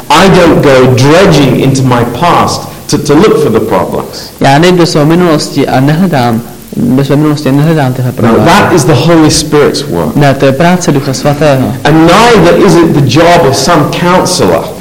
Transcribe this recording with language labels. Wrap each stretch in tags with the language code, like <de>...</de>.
<en>I don't go dredging into my past to look for the problems.</en> <cs>Já nejdu do své minulosti a nehledám bez minulosti nehledám tyhle problémy.</cs> <en>Now that is the Holy Spirit's work.</en> <cs>Ne, to je práce Ducha Svatého.</cs> <en>And neither is it the job of some counselor.</en>